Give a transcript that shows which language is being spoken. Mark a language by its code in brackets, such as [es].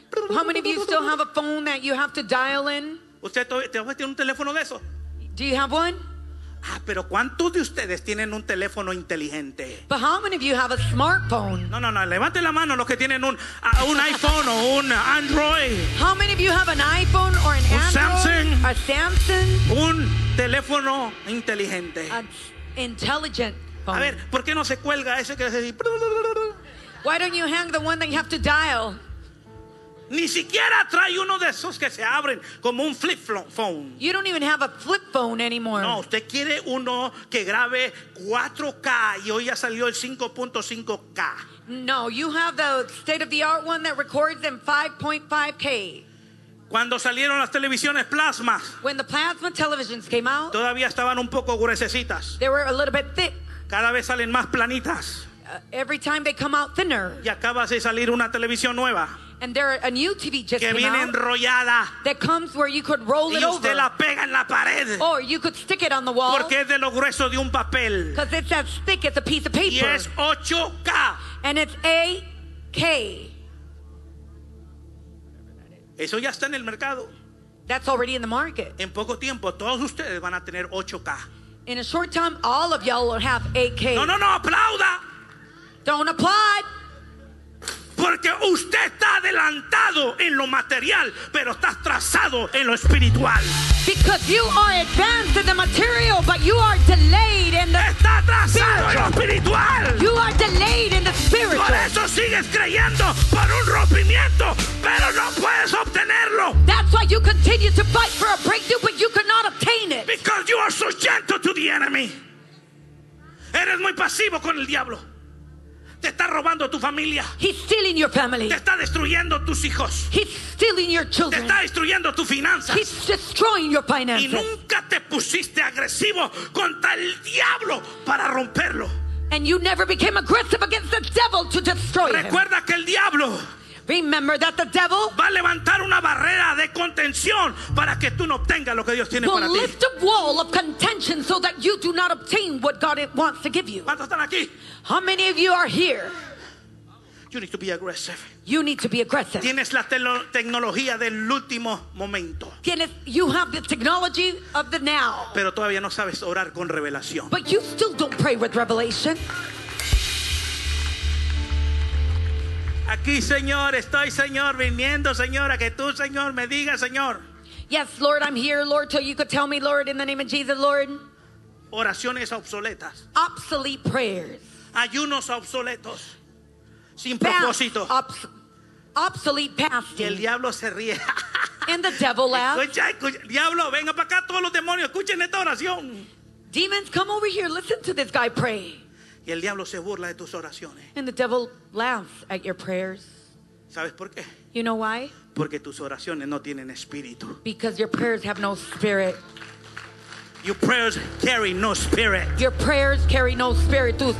[en] How many of you still have a phone that you have to dial in? [es] ¿Usted todavía tiene un teléfono de eso? [en] Do you have one? [es] Ah, pero ¿cuántos de ustedes tienen un teléfono inteligente? [en] But how many of you have a smartphone? [es] No, levante la mano los que tienen un iPhone o un Android. [en] How many of you have an iPhone or an Android? [es] A Samsung. Un teléfono inteligente. [en] Intelligent phone. [es] A ver, ¿por qué no se cuelga ese que se dice? [en] Why don't you hang the one that you have to dial? [es] Ni siquiera trae uno de esos que se abren como un flip phone. [en] You don't even have a flip phone anymore. [es] No, usted quiere uno que grabe 4K y hoy ya salió el 5.5K. [en] No, you have the state of the art one that records in 5.5K. [es] Cuando salieron las televisiones plasmas. [en] When the plasma televisions came out. [es] Todavía estaban un poco gruesecitas. [en] They were a little bit thick. [es] Cada vez salen más planitas. [en] Every time they come out thinner. [es] Y acaba de salir una televisión nueva. [en] And there a new TV just [es] que viene [en] came out [es] enrollada. [en] That comes where you could roll [es] y [en] it over. [es] La pega en la pared. [en] Or you could stick it on the wall. [es] Porque es de lo grueso de un papel. [en] Because it's as thick as a piece of paper. [es] Y es 8K. [en] And it's 8K. [es] Eso ya está en el mercado. [en] That's already in the market. [es] En poco tiempo todos ustedes van a tener 8K. [en] In a short time all of y'all will have 8K. [es] No, aplauda. [en] Don't applaud. [es] Porque usted está adelantado en lo material, pero está atrasado en lo espiritual. [en] Because you are advanced in the material, but you are delayed in the [es] está atrasado en lo espiritual. [en] You are delayed in the spiritual. [es] Por eso sigues creyendo por un rompimiento, pero no puedes obtenerlo. [en] That's why you continue to fight for a breakthrough, but you cannot obtain it. Because you are so gentle to the enemy. [es] Eres muy pasivo con el diablo. Te está robando tu familia. [en] He's stealing your family. [es] Te está destruyendo tus hijos. [en] He's stealing your children. [es] Te está destruyendo tus finanzas. [en] He's destroying your finances. [es] Y nunca te pusiste agresivo contra el diablo para romperlo. [en] And you never became aggressive against the devil to destroy him. [es] Recuerda que el diablo. [en] Remember that the devil [es] va a levantar una barrera de contención para que tú no obtengas lo que Dios tiene para ti. [en] Will lift a wall of contention so that you do not obtain what God wants to give you. [es] ¿Cuántos están aquí? [en] How many of you are here? You need to be aggressive. You need to be aggressive. [es] Tienes la tecnología del último momento. Tienes, [en] you have the technology of the now. [es] Pero todavía no sabes orar con revelación. [en] But you still don't pray with revelation. [es] Aquí, Señor, estoy, Señor, viniendo, Señor, a que tú, Señor, me digas, Señor. [en] Yes, Lord, I'm here, Lord, till you could tell me, Lord, in the name of Jesus, Lord. [es] Oraciones obsoletas. [en] Obsolete prayers. [es] Ayunos obsoletos. Sin propósito. [en] Obsolete fasting. [es] Y el diablo se ríe. [en] And the devil laughs. [es] Escucha, escucha, diablo, venga para acá todos los demonios, escuchen esta oración. [en] Demons, come over here, listen to this guy pray. [es] Y el diablo se burla de tus oraciones. [en] And the devil laughs at your prayers. [es] ¿Sabes por qué? [en] You know why? [es] Porque tus oraciones no tienen espíritu. [en] Because your prayers have no spirit. Your prayers carry no spirit. Your prayers carry no spirit.